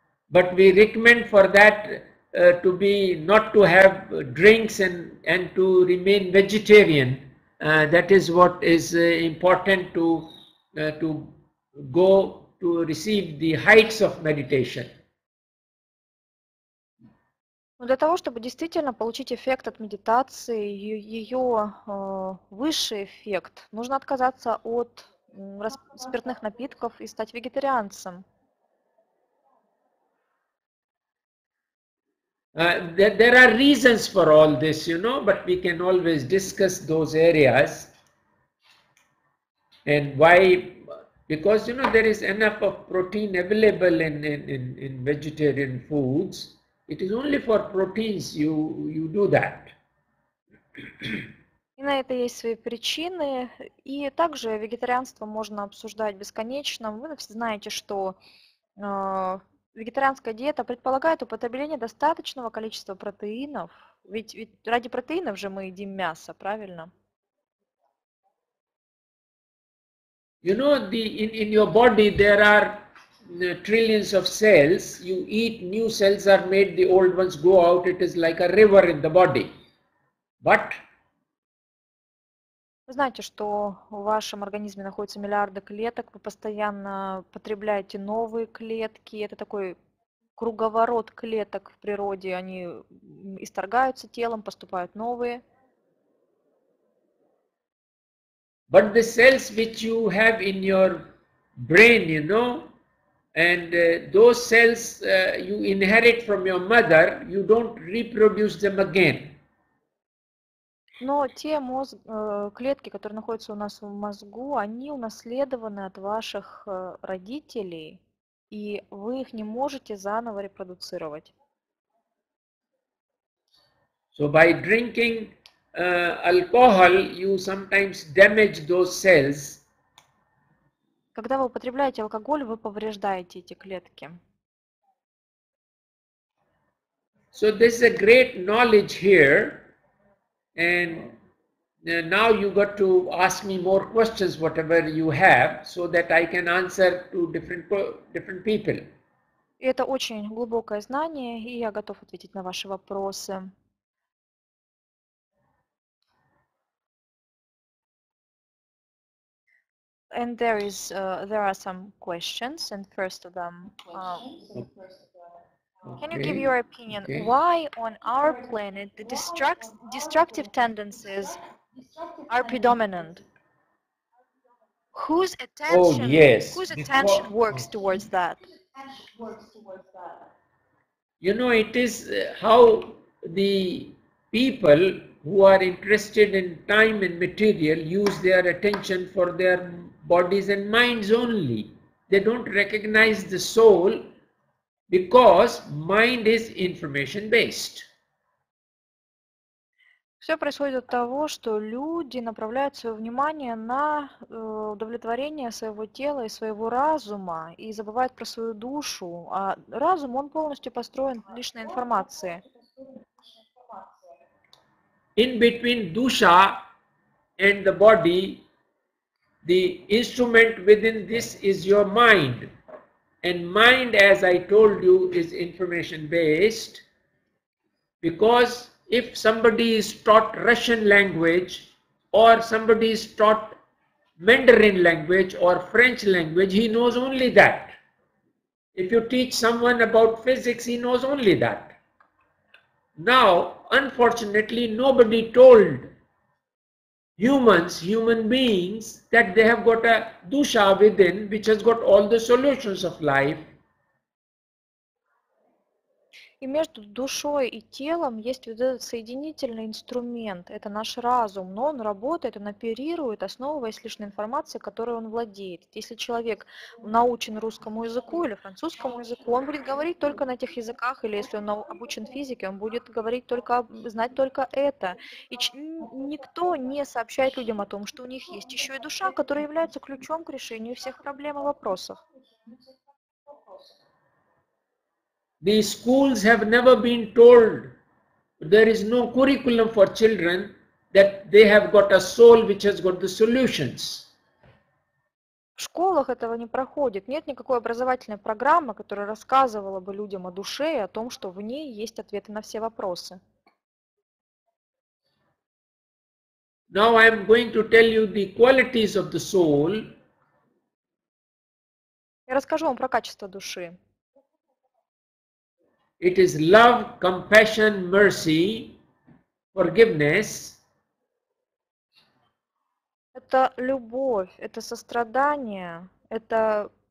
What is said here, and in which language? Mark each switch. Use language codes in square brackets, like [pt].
[en] But we recommend for that to be not to have drinks and to remain vegetarian. That is what is important to go to receive the heights of meditation. [ru] Но для того, чтобы действительно получить эффект от медитации, ее высший эффект, нужно отказаться от спиртных напитков и стать вегетарианцем. [en] There are reasons for all this, you know, but we can always discuss those areas. And why? Because, you know, there is enough of protein available in vegetarian foods. It is only for proteins you do that. [ru] И на это есть свои причины. И также вегетарианство можно обсуждать бесконечно. Вы знаете, что вегетарианская диета предполагает употребление достаточного количества протеинов. Ведь ради протеинов же мы едим мясо, правильно? [en] You know, in your body there are trillions of cells, you eat, new cells are made, the old ones go out, it is like a river in the body. But [ru] вы знаете, что в вашем организме находятся миллиарды клеток, вы постоянно потребляете новые клетки, это такой круговорот клеток в природе, они исторгаются телом, поступают новые. [en] But the cells which you have in your brain, you know, and those cells you inherit from your mother, you don't reproduce them again. [ru] Но те клетки, которые находятся у нас в мозгу, они унаследованы от ваших родителей, и вы их не можете заново репродуцировать. [en] So by drinking alcohol, you sometimes damage those cells. [ru] Когда вы употребляете алкоголь, вы повреждаете эти клетки. [en] So this is a great knowledge here, and now you got to ask me more questions, whatever you have, so that I can answer to different people. [ru] И это очень глубокое знание, и я готов ответить на ваши вопросы. [en] And there is there are some questions, and first of them, can you give your opinion? Okay. Why on our planet the destructive tendencies are predominant? Whose attention whose attention works towards that? You know, it is how the people who are interested in time and material use their attention for their bodies and minds only. They don't recognize the soul because mind is information based. [ru] Все происходит от того, что люди направляют свое внимание на удовлетворение своего тела и своего разума и забывают про свою душу. А разум, он полностью построен лишь на информации. [en] In between dusha and the body, the instrument within this is your mind. And mind, as I told you, is information based. Because if somebody is taught Russian language, or somebody is taught Mandarin language or French language, he knows only that. If you teach someone about physics, he knows only that. Now, unfortunately, nobody told humans, human beings, that they have got a dusha within, which has got all the solutions of life. [ru] И между душой и телом есть вот этот соединительный инструмент. Это наш разум, но он работает, он оперирует, основываясь лишь на информации, которой он владеет. Если человек научен русскому языку или французскому языку, он будет говорить только на тех языках, или если он обучен физике, он будет говорить только, знать только это. И никто не сообщает людям о том, что у них есть еще и душа, которая является ключом к решению всех проблем и вопросов. [en] The schools have never been told, there is no curriculum for children, that they have got a soul which has got the solutions. [ru] В школах этого не проходит. Нет никакой образовательной программы, которая рассказывала бы людям о душе и о том, что в ней есть ответы на все вопросы. [en] Now I am going to tell you the qualities of the soul. [ru] Я расскажу вам про качество души. [en] It is love, compassion, mercy, forgiveness. [ru] Это любовь, это сострадание, это